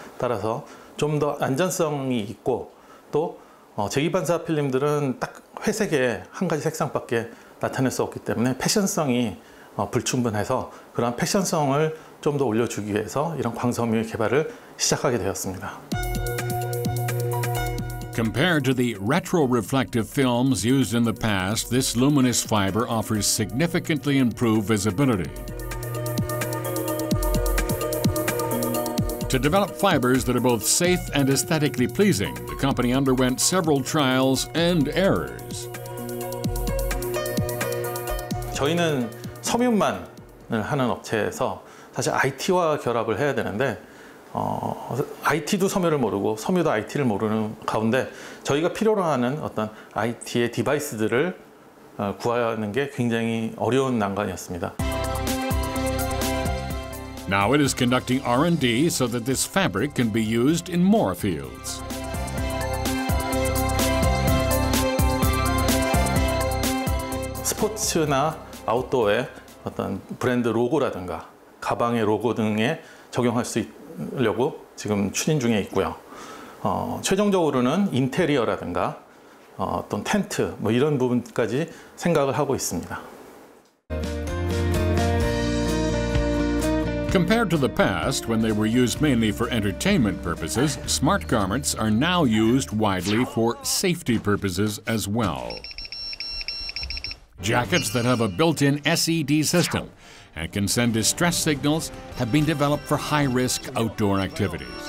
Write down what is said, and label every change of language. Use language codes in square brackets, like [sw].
[ko] 따라서 좀 더 안전성이 있고 또 재기반사 필름들은 딱 회색의 한 가지 색상밖에 나타낼 수 없기 때문에 패션성이 불충분해서 그런 패션성을 좀 더 올려주기 위해서 이런 광섬유의 개발을 시작하게 되었습니다. [en] Compared to the retro-reflective films used in the past, this luminous fiber offers significantly improved visibility. To develop fibers that are both safe and aesthetically pleasing, the company underwent several trials and errors. [ko] 저희는 섬유만을 하는 업체에서 사실 IT와 결합을 해야 되는데 IT도 섬유를 모르고 섬유도 IT를 모르는 가운데 저희가 필요로 하는 어떤 IT의 디바이스들을 구하는 게 굉장히 어려운 난관이었습니다. [en] Now it is conducting R&D so that this fabric can be used in more fields. [ko] 스포츠나 아웃도어의 어떤 브랜드 로고라든가 가방의 로고 등에 적용할 수 있려고 지금 추진 중에 있고요. 최종적으로는 인테리어라든가 어떤 텐트 뭐 이런 부분까지 생각을 하고 있습니다. [en] Compared to the past, when they were used mainly for entertainment purposes, smart garments are now used widely for safety purposes as well. Jackets that have a built-in SED system and can send distress signals have been developed for high-risk outdoor activities.